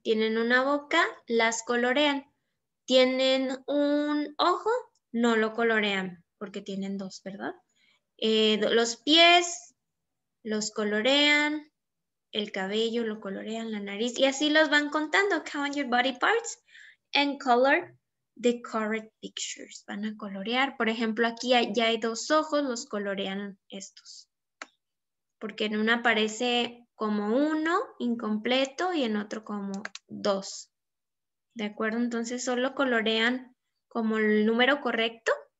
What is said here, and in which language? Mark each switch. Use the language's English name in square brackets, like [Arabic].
[Spanish] Tienen una boca, las colorean. Tienen un ojo, no lo colorean, porque tienen dos, ¿verdad? Los pies, los colorean. El cabello, lo colorean. La nariz, y así los van contando. [English] Count your body parts and color the correct pictures. [Spanish] Van a colorear. Por ejemplo, aquí ya hay dos ojos, los colorean estos. Porque en uno aparece como uno, incompleto, y en otro como dos. ¿De acuerdo? Entonces solo colorean como el número correcto.